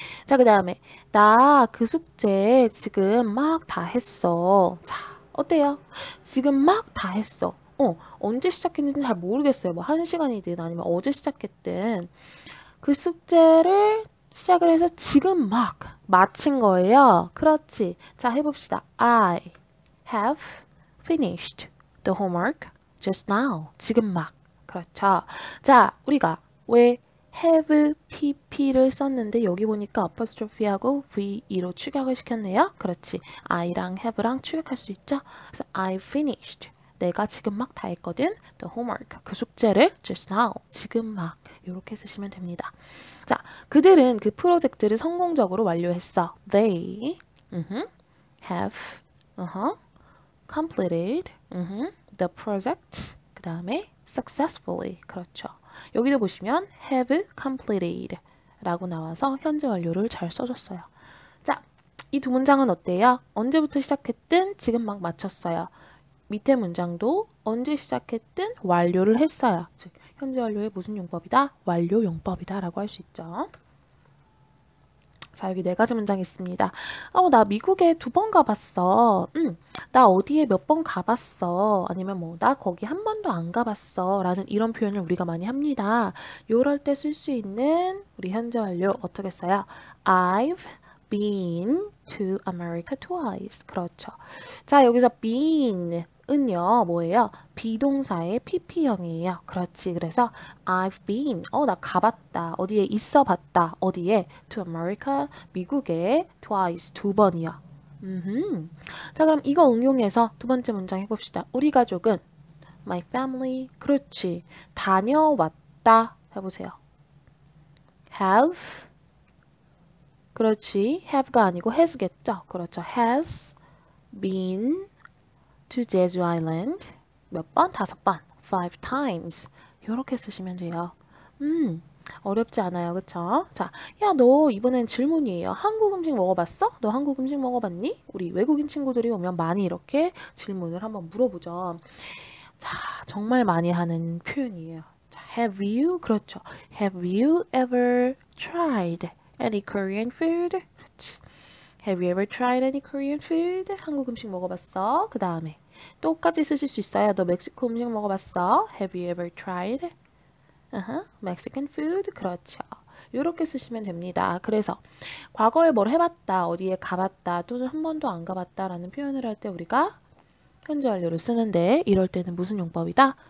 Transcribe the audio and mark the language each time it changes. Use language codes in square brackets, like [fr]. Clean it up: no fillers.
[ko] 자, 그다음에 나그 숙제 지금 막다 했어. 자, 어때요? 지금 막다 했어. 언제 시작했는지 잘 모르겠어요. 뭐한 시간이든 아니면 어제 시작했든 그 숙제를 시작을 해서 지금 막 마친 거예요. 그렇지. 자, 해봅시다. [en] I have finished the homework just now. [ko] 지금 막. 그렇죠. 자, 우리가 왜 have PP를 썼는데 여기 보니까 apostrophe하고 VE로 추격을 시켰네요. 그렇지. I랑 have랑 추격할 수 있죠. 그래서 [en] I finished. [ko] 내가 지금 막다 했거든. [en] The homework. [ko] 그 숙제를 [en] just now. [ko] 지금 막. 이렇게 쓰시면 됩니다. 자, 그들은 그 프로젝트를 성공적으로 완료했어. [en] They have completed the project. [ko] 그 다음에 successfully. 그렇죠. 여기도 보시면 [en] have completed [ko] 라고 나와서 현재 완료를 잘 써줬어요. 자, 이두 문장은 어때요? 언제부터 시작했든 지금 막 마쳤어요. 밑에 문장도 언제 시작했든 완료를 했어요. 즉, 현재 완료의 무슨 용법이다? 완료 용법이다 라고 할수 있죠. 자, 여기 네 가지 문장 있습니다. 나 미국에 두번 가봤어. 나 어디에 몇번 가봤어. 아니면 뭐, 나 거기 한 번도 안 가봤어. 라는 이런 표현을 우리가 많이 합니다. 요럴 때쓸수 있는 우리 현재 완료 어떻게 써요? [en] I've been to America twice. [ko] 그렇죠. 자, 여기서 been은요, 뭐예요? 비동사의 PP형이에요. 그렇지. 그래서 [en] I've been, [ko] 나 가봤다. 어디에 있어 봤다. 어디에? [en] To America, [ko] 미국에 [en] twice, [ko] 두 번이요. 자, 그럼 이거 응용해서 두 번째 문장 해봅시다. 우리 가족은 [en] My family, [ko] 그렇지. 다녀왔다. 해보세요. Have, 그렇지. Have가 아니고 has겠죠. 그렇죠. [en] Has been to Jeju Island [ko] 몇 번? 다섯 번. [en] Five times. [ko] 이렇게 쓰시면 돼요. 어렵지 않아요. 그쵸? 자, 야, 너 이번엔 질문이에요. 한국 음식 먹어봤어? 너 한국 음식 먹어봤니? 우리 외국인 친구들이 오면 많이 이렇게 질문을 한번 물어보죠. 자, 정말 많이 하는 표현이에요. 자, [en] have you? [ko] 그렇죠. [en] Have you ever tried any Korean food? [ko] 그렇지. [en] Have you ever tried any Korean food? [ko] 한국 음식 먹어봤어? 그 다음에 똑같이 쓰실 수 있어요. 너 멕시코 음식 먹어봤어? [en] Have you ever tried? Mexican food? [ko] 그렇죠. 이렇게 쓰시면 됩니다. 그래서 과거에 뭘 해봤다, 어디에 가봤다, 또는 한 번도 안 가봤다라는 표현을 할때 우리가 현재 완료를 쓰는데 이럴 때는 무슨 용법이다?